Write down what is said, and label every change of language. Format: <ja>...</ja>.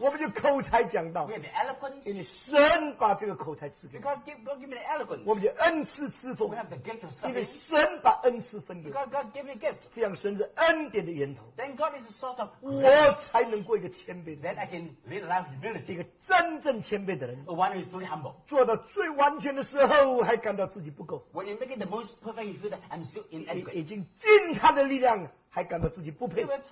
<zh>我们就口才讲道</zh> <en>we have the eloquence.</en> <zh>你神把这个口才赐给我们</zh> <en>because God gave me the eloquence.</en> <zh>我们就恩赐侍奉</zh> <en>we have the gift of service.</en> <zh>你神把恩赐分给我们</zh> <en>because God gave me a gift.</en> <zh>这样神是恩典的源头</zh> <en>then God is the source of grace.</en> <zh>我才能过一个谦卑的</zh> <en>then I can live a life of humility.</en> <zh>一个真正谦卑的人</zh> <en>the one who is truly humble.</en> <zh>做到最完全的时候还感到自己不够</zh> <en>when you make it the most perfect you feel that I'm still inadequate.</en> <zh>已经尽他的力量还感到自己不配。</zh>